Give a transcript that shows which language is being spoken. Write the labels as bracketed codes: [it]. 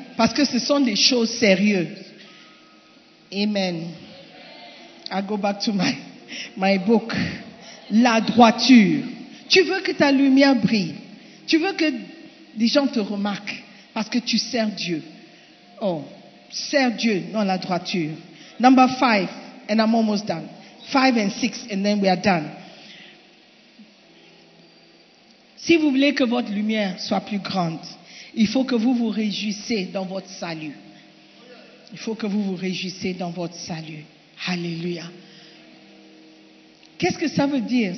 [fr] Parce que ce sont des choses sérieuses. Amen. [en] I go back to my book. [fr] La droiture. Tu veux que ta lumière brille. Tu veux que les gens te remarquent parce que tu sers Dieu. Oh, sers Dieu dans la droiture. [en] Number 5, and I'm almost done. 5 and 6, and then we are done. [fr] Si vous voulez que votre lumière soit plus grande, il faut que vous vous réjouissez dans votre salut. Il faut que vous vous réjouissez dans votre salut. Alléluia. Qu'est-ce que ça veut dire?